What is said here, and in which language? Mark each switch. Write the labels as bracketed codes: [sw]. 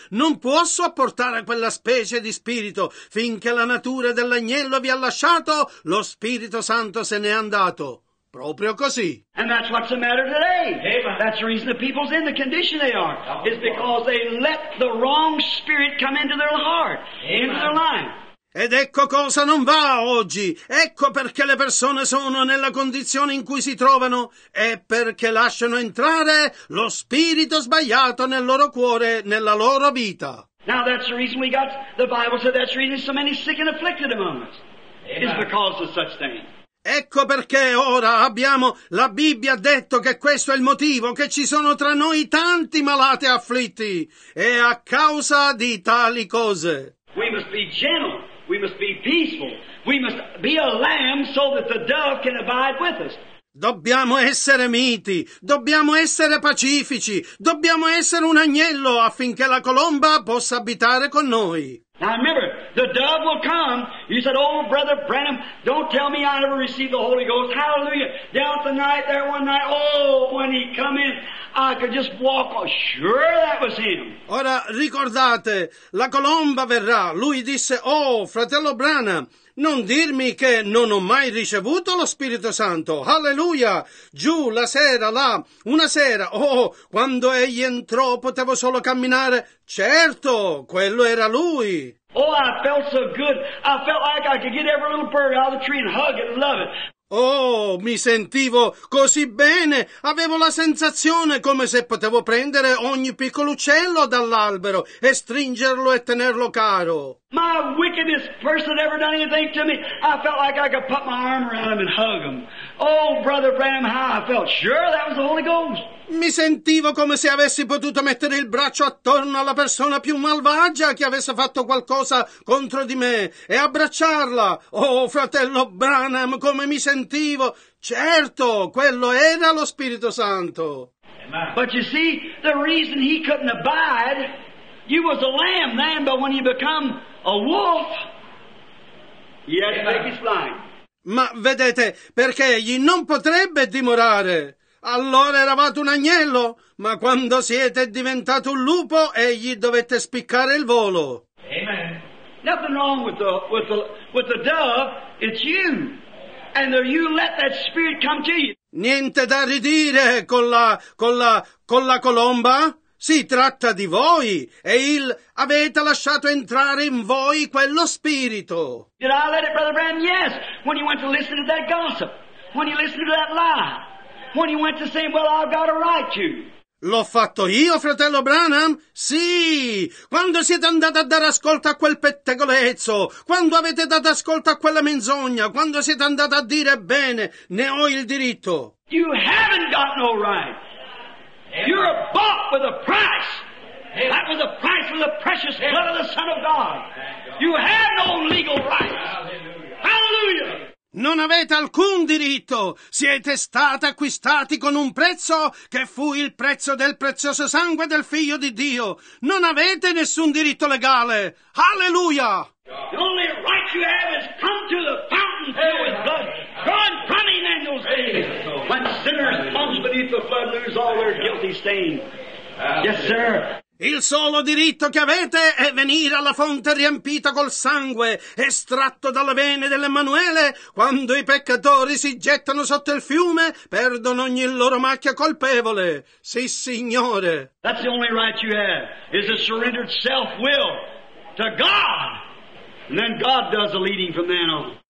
[it] Non può sopportare quella specie di spirito. Finché la natura dell'agnello vi ha lasciato, lo Spirito Santo se n'è andato. Proprio così. [en] And that's what's the matter today. Amen. That's the reason the people's in the condition they are. It's because they let the wrong spirit come into their heart, Amen. Into their life. [it] Ed ecco cosa non va oggi, ecco perché le persone sono nella condizione in cui si trovano, è perché lasciano entrare lo spirito sbagliato nel loro cuore, nella loro vita. [en] Now that's the reason we got, the Bible said that's the reason so many sick and afflicted among us, is because of such things. [it] Ecco perché ora abbiamo, la Bibbia ha detto che questo è il motivo, che ci sono tra noi tanti malati e afflitti, è a causa di tali cose. [en] We must be gentle. We must be peaceful. We must be a lamb so that the dove can abide with us. [it] Dobbiamo essere miti. Dobbiamo essere pacifici. Dobbiamo essere un agnello affinché la colomba possa abitare con noi. [en] Now remember, the dove will come. You said, oh, Brother Branham, don't tell me I ever received the Holy Ghost. Hallelujah. Down the night, there one night, oh, when he come in, I could just walk on. Sure, that was him. [it] Ora, ricordate, la colomba verrà. Lui disse, oh, fratello Branham, non dirmi che non ho mai ricevuto lo Spirito Santo. Alleluia! Giù, la sera, là, una sera. Oh, quando egli entrò, potevo solo camminare. Certo, quello era lui. [en] Oh, I felt so good. I felt like I could get every little bird out of the tree and hug it and love it. [it] Oh, mi sentivo così bene. Avevo la sensazione come se potevo prendere ogni piccolo uccello dall'albero e stringerlo e tenerlo caro. [en] My wickedest person ever done anything to me. I felt like I could put my arm around him and hug him. Oh, Brother Branham, how I felt. Sure, that was the Holy Ghost. [it] Mi sentivo come se avessi potuto mettere il braccio attorno alla persona più malvagia che avesse fatto qualcosa contro di me e abbracciarla. Oh, fratello Branham, come mi sentivo. Certo, quello era lo Spirito Santo. [en] But you see, the reason he couldn't abide, you was a lamb then, but when you become a wolf, he had to make his flight. [it] Ma vedete, perché egli non potrebbe dimorare. Allora eravate un agnello, ma quando siete diventato un lupo, egli dovette spiccare il volo. Amen. [en] Nothing wrong with the dove, it's you. And you let that spirit come to you. [it] Niente da ridire con la colomba. Si tratta di voi. E il avete lasciato entrare in voi quello spirito. [en] Did I let it, Brother Branham? Yes. When you went to listen to that gossip. When you listened to that lie. When you went to say, well, I've got to write you. [it] L'ho fatto io, fratello Branham? Sì. Quando siete andati a dare ascolto a quel pettegolezzo, quando avete dato ascolto a quella menzogna, quando siete andati a dire, bene, ne ho il diritto. [en] You haven't got no right. You're bought with a price. That was the price of the precious blood of the Son of God. You have no legal rights. Hallelujah. [it] Non avete alcun diritto. Siete stati acquistati con un prezzo che fu il prezzo del prezioso sangue del Figlio di Dio. Non avete nessun diritto legale. Hallelujah. [en] The only right you have is come to the fountain filled with blood. God running in those days. When sinners plunge beneath the flood, lose all their guilty stain. Yes, sir. [it] Il solo diritto che avete è venire alla fonte riempita col sangue estratto dalle vene dell'Emanuele. Quando i peccatori si gettano sotto il fiume, perdono ogni loro macchia colpevole. Sì, Signore. [en] That's the only right you have, is a surrendered self-will to God. And then God does the leading from then on.